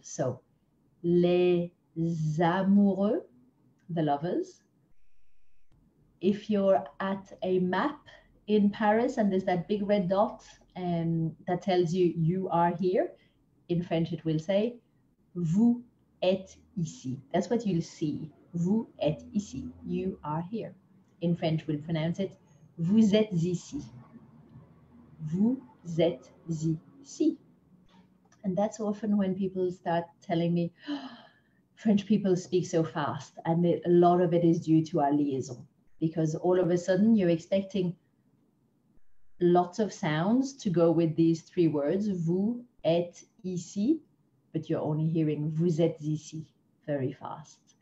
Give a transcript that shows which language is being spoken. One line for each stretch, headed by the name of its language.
English: So
French: les amoureux,
English: the lovers. If you're at a map in Paris and there's that big red dot that tells you you are here, in French it will say
French: vous êtes ici.
English: That's what you'll see.
French: Vous êtes ici.
English: You are here. In French, we'll pronounce it
French: vous êtes ici. Vous êtes ici.
English: And that's often when people start telling me, oh, French people speak so fast. And a lot of it is due to our liaison. Because all of a sudden, you're expecting lots of sounds to go with these three words,
French: vous êtes ici,
English: but you're only hearing
French: vous êtes ici
English: very fast.